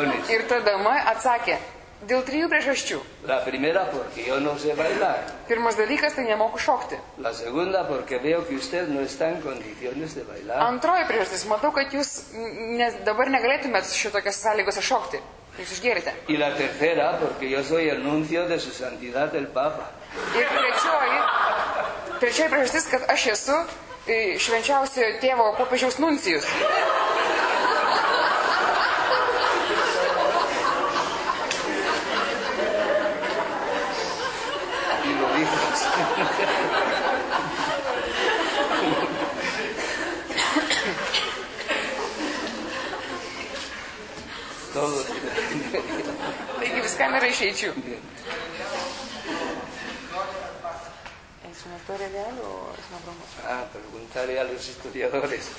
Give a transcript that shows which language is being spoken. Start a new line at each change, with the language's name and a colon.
Lithuanian: Ir ta dama atsakė, dėl trijų priežasčių.
Spanish: La primera, porque yo no sé bailar.
Lithuanian: Pirmas dalykas, tai nemoku šokti.
Spanish: La segunda, porque veo que usted no está en condiciones de bailar.
Lithuanian: Antroji priežastis, matau, kad jūs dabar negalėtumėt šitokias sąlygose šokti. Jūs išgėrite.
Spanish: Y la tercera, porque yo soy anuncio de su santidad el Papa.
Lithuanian: Ir trečioji priežastis, kad aš esu švenčiausiojo tėvo popiežiaus nuncijus. Taigi viską nėra išeičių.
Spanish: Preguntarle a los historiadores.